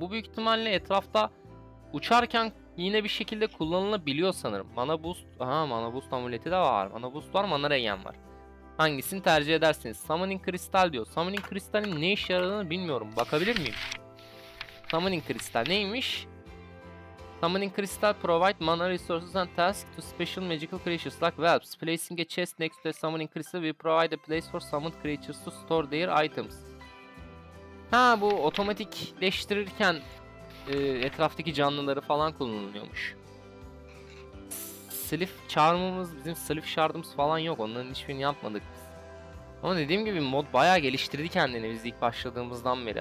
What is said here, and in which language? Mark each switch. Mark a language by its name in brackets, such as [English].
[Turkish] Bu büyük ihtimalle etrafta uçarken yine bir şekilde kullanılabiliyor sanırım. Mana boost. Aha mana boost amuleti de var. Mana boost var. Mana regen var. Hangisini tercih edersiniz? Summoning Crystal diyor. Summoning Crystal'in ne işe yaradığını bilmiyorum. Bakabilir miyim? Summoning Crystal neymiş? [English] Summoning Crystal provide mana resources and tasks to special magical creatures like whelps. Placing a chest next to a summoning crystal will provide a place for summoned creatures to store their items. [Turkish] Ha bu otomatikleştirirken etraftaki canlıları falan kullanılıyormuş. Sylph charm'ımız, bizim Sylph shard'ımız falan yok. Onların hiçbirini yapmadık biz. Ama dediğim gibi mod bayağı geliştirdi kendini biz ilk başladığımızdan beri.